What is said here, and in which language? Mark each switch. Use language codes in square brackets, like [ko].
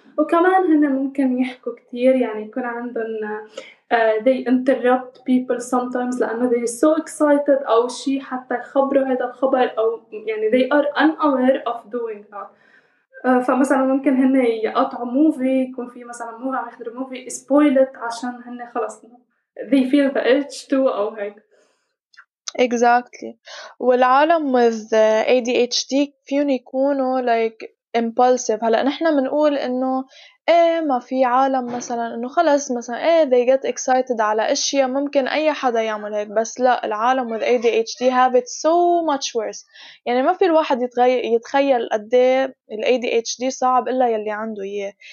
[ar] وكمان هن ممكن يحكوا كتير، يعني يكون عندهم [en] they interrupt people sometimes [ar] لأنه [en] they so excited [ar] أو شيء حتى يخبروا هذا الخبر، أو يعني [en] they are unaware of doing that. [ar] فمثلا ممكن هن يقطعوا موفي، يكون في مثلا موفي عم يحضروا موفي spoiled عشان هن خلص [en] they feel the urge to [ar] أو هيك. [en] Exactly. [ar] والعالم [en] with ADHD [ar] فيهم يكونوا [en] like impulsive. [ar] هلا نحن بنقول انه ايه ما في عالم مثلا انه خلص مثلا ايه [en] they get excited [ar] على اشياء ممكن اي حدا يعمل هيك، بس لا، العالم [en] with ADHD have it so much worse. [ar] يعني ما في الواحد يتخيل قديه ال ADHD صعب الا يلي عنده اياه.